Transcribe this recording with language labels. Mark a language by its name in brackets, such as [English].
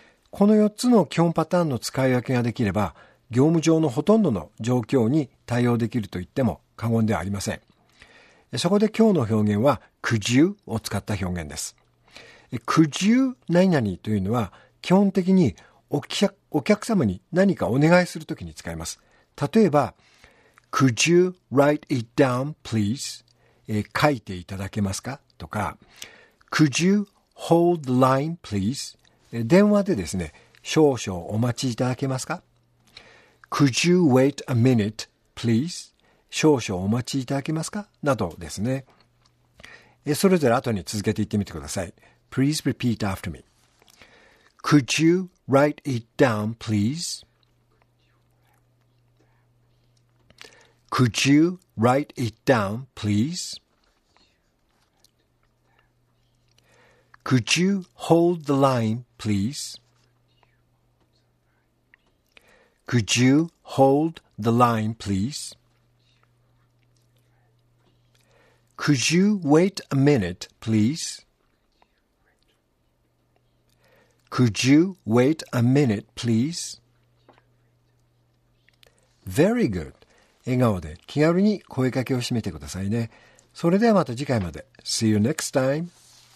[Japanese] この4つの基本パターンの使い分けができれば、業務上のほとんどの状況に対応できると言っても過言ではありません。そこで今日の表現は、Could you? を使った表現です。Could you? 何々というのは、基本的にお客様に何かお願いするときに使います。例えば、 [English] Could you write it down, please? [Japanese] 書いていただけますかとか、 [English] Could you hold the line, please? [Japanese] 電話でですね、少々お待ちいただけますか [English] ?Could you wait a minute, please? [Japanese] 少々お待ちいただけますかなどですね。それぞれ後に続けていってみてください。 [English] Please repeat after me. Could you write it down, please? Could you write it down, please? Could you hold the line, please? Could you hold the line, please? Could you wait a minute, please? Could you wait a minute, please? Very good. [Japanese] 笑顔で気軽に声かけを締めてくださいね。それではまた次回まで。 [English] See you next time.